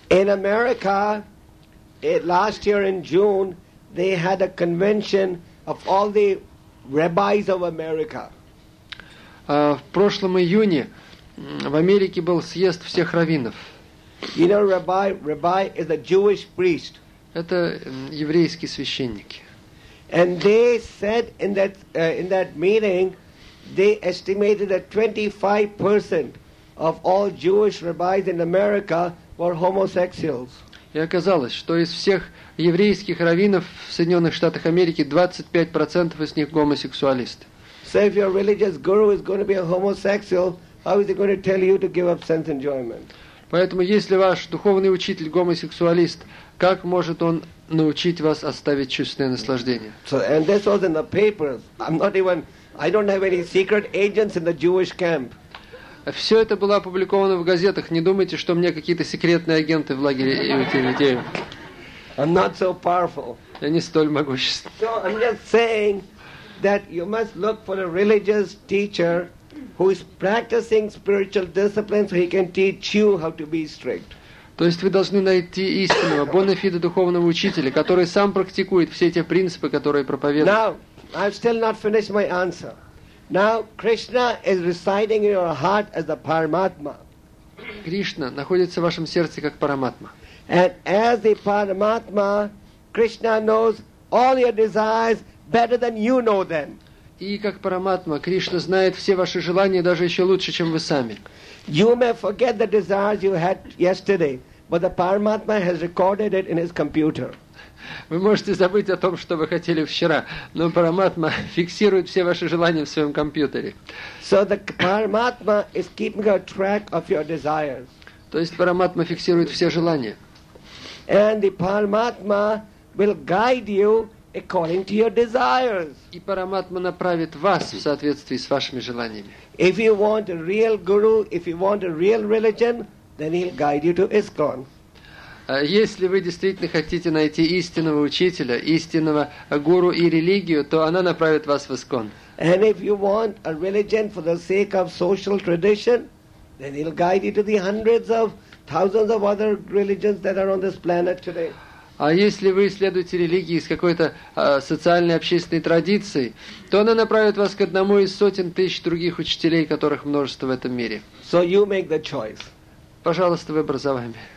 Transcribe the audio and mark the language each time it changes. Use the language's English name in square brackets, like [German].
[English] In America, last year in June, they had a convention of all the rabbis of America. [Russian] В прошлом июне в Америке был съезд всех раввинов. [English] You know, rabbi is a Jewish priest. [Russian] Это еврейские священники. [English] And they said in that meeting, they estimated that 25% of all Jewish rabbis in America were homosexuals. [Russian] И оказалось, что из всех еврейских раввинов в Соединенных Штатах Америки 25% из них гомосексуалисты. [English] So if your religious guru is going to be a homosexual, how is he going to tell you to give up sense enjoyment? [Russian] Поэтому, если ваш духовный учитель гомосексуалист, как может он научить вас оставить чувственное наслаждение? [English] So, and this was in the papers. I don't have any secret agents in the Jewish camp. [Russian] Все это было опубликовано в газетах. Не думайте, что у меня какие-то секретные агенты в лагере иудеев. [English] I'm not so powerful. [Russian] Я не столь могущественный. [English] So I'm just saying that you must look for a religious teacher who is practicing spiritual discipline so he can teach you how to be strict. [Russian] То есть вы должны найти истинного бонафида духовного учителя, который сам практикует все эти принципы, которые проповедует. [English] Now, I've still not finished my answer. Now, Krishna is residing in your heart as the Paramatma. [Russian] Кришна находится в вашем сердце как Параматма. [English] And as the Paramatma, Krishna knows all your desires better than you know them. [Russian] И как Параматма, Кришна знает все ваши желания даже еще лучше, чем вы сами. [English] You may forget the desires you had yesterday, but the Paramatma has recorded it in his computer. [Russian] Вы можете забыть о том, что вы хотели вчера, но Параматма фиксирует все ваши желания в своем компьютере. [English] So the Paramatma is keeping a track of your desires. [Russian] То есть Параматма фиксирует все желания. [English] And the Paramatma will guide you according to your desires. [Russian] И Параматма направит вас в соответствии с вашими желаниями. [English] If you want a real guru, if you want a real religion, then he'll guide you to ISKCON. [Russian] Если вы действительно хотите найти истинного учителя, истинного гуру и религию, то она направит вас в ИСКОН. [English] And if you want a religion for the sake of social tradition, then he'll guide you to the hundreds of thousands of other religions that are on this planet today. [Russian] А если вы исследуете религии с какой-то социальной общественной традицией, то она направит вас к одному из сотен тысяч других учителей, которых множество в этом мире. [English] So you make the choice. [Russian] Пожалуйста, выбор за вами.